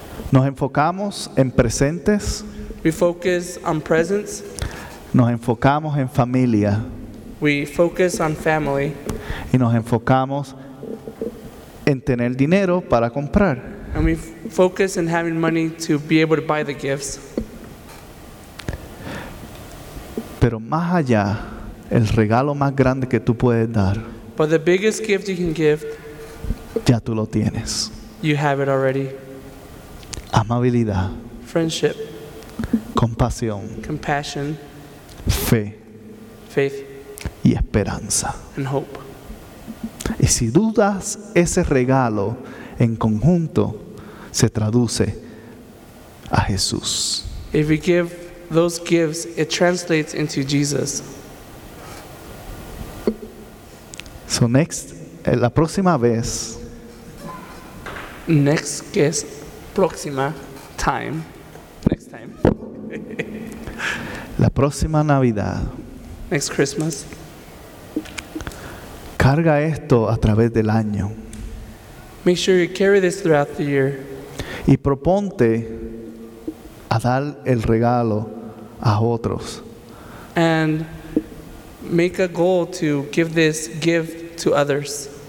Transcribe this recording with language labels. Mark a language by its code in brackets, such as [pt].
[es] nos enfocamos en presentes. [en] We focus on presents. [es] Nos enfocamos en familia. [en] We focus on family. [es] Y nos enfocamos en tener dinero para comprar. [en] And we focus on having money to be able to buy the gifts. [es] Pero más allá, el regalo más grande que tú puedes dar. [en] But the biggest gift you can give. [es] Ya tú lo tienes. [en] You have it already. [es] Amabilidad. [en] Friendship. [es] Compasión. [en] Compassion. [es] Fe. [en] Faith. [es] Y esperanza. [en] And hope. [es] Y si dudas ese regalo en conjunto, se traduce a Jesús. [en] If we give those gifts, it translates into Jesus. So next, [es] la próxima vez. [en] Next guest, próxima time. Next time. [es] La próxima Navidad. [en] Next Christmas. [es] Carga esto a través del año. [en] Make sure you carry this throughout the year. [es] Y proponte a dar el regalo a otros. [en] And make a goal to give this gift to others.